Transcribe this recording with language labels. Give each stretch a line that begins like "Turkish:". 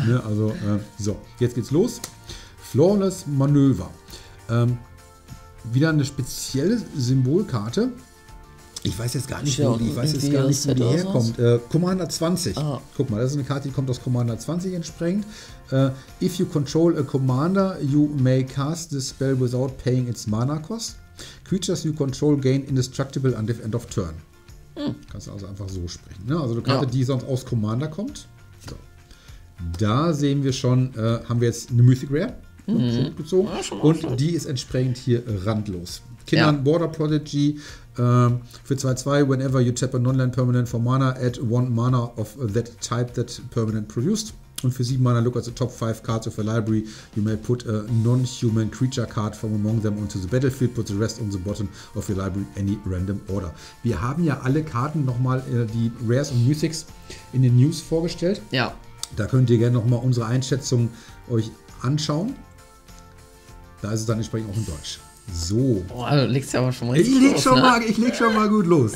German: Ne? Also, so, jetzt geht's los. Flawless Manöver. Wieder eine spezielle Symbolkarte. Ich weiß jetzt gar nicht, wo die herkommt. Commander 20. Ah. Guck mal, das ist eine Karte, die kommt aus Commander 20 entsprechend.
English: If you control a commander, you may cast the spell without paying its mana cost. Creatures you control gain indestructible until the end of turn. Hm.
German: Kannst du also einfach so sprechen. Ne? Also eine Karte, die sonst aus Commander kommt. So. Da sehen wir schon, haben wir jetzt eine Mythic Rare gezogen. Und die ist entsprechend hier randlos. Kindern Border Prodigy für 2/2.
English: Whenever you tap a non-land permanent for mana, add one mana of that type that permanent produced.
German: Und für 7 Mana,
English: look at the top 5 cards of a library. You may put a non-human creature card from among them onto the battlefield. Put the rest on the bottom of your library any random order.
German: Wir haben ja alle Karten nochmal die Rares und Mythics in den News vorgestellt. Ja. Da könnt ihr gerne nochmal unsere Einschätzung euch anschauen. Da ist es dann entsprechend auch in Deutsch. So. Boah, du legst ja aber schon mal richtig los. Ich leg schon mal gut los.